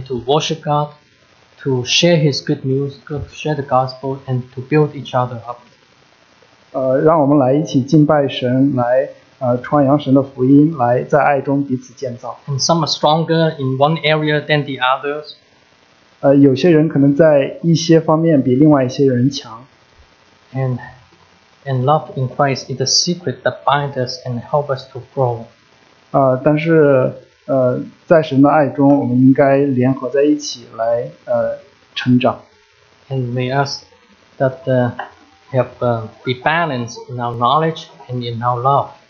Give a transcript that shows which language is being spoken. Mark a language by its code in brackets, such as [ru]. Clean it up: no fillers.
[en] And to worship God, to share His good news, to share the gospel, and to build each other up. [zh] 让我们来一起敬拜神，来传扬神的福音，来在爱中彼此建造。 [en] And some are stronger in one area than the others. [zh] 有些人可能在一些方面比另外一些人强。 [en] And love in Christ is the secret that binds us and helps us to grow. [zh] 但是在神的爱中，我们应该联合在一起来成长。 [en] And may us that have be balanced in our knowledge and in our love.